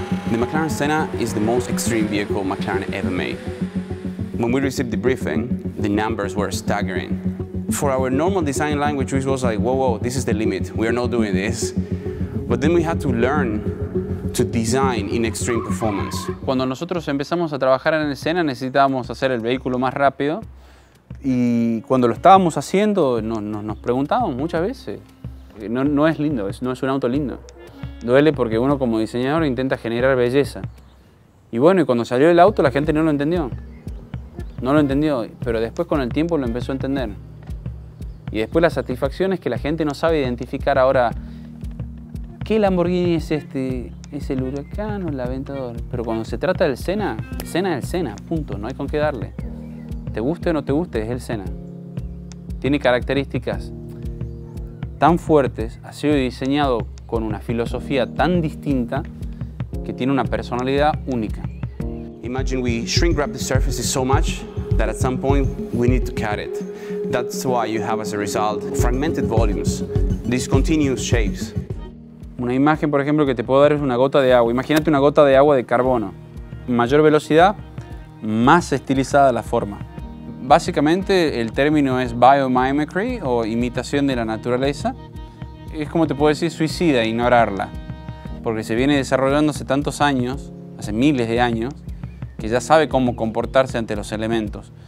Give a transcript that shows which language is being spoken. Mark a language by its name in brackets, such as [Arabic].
[English] The McLaren Senna is the most extreme vehicle McLaren ever made. When we received the briefing, the numbers were staggering. For our normal design language, which was like, whoa, whoa, this is the limit, we are not doing this. But then we had to learn to design in extreme performance. [Spanish] Cuando nosotros empezamos a trabajar en el Senna, necesitábamos hacer el vehículo más rápido, Y cuando lo estábamos haciendo, nos preguntábamos muchas veces. No es lindo, no es un auto lindo. Duele porque uno como diseñador intenta generar belleza. Y bueno, y cuando salió el auto la gente no lo entendió. No lo entendió, pero después con el tiempo lo empezó a entender. Y después la satisfacción es que la gente no sabe identificar ahora qué Lamborghini es este, es el Huracán o el Aventador. Pero cuando se trata del Senna, Senna es el Senna, punto, no hay con qué darle. Te guste o no te guste, es el Senna. Tiene características tan fuertes, ha sido diseñado con una filosofía tan distinta que tiene una personalidad única. [English] Imagine we shrink wrap the surfaces so much that at some point we need to cut it. That's why you have as a result fragmented volumes, discontinuous shapes. [Spanish] Una imagen, por ejemplo, que te puedo dar es una gota de agua. Imagínate una gota de agua de carbono. Mayor velocidad, más estilizada la forma. Básicamente el término es biomimicry o imitación de la naturaleza. Es como te puedo decir suicida, ignorarla. Porque se viene desarrollando hace tantos años, hace miles de años, que ya sabe cómo comportarse ante los elementos.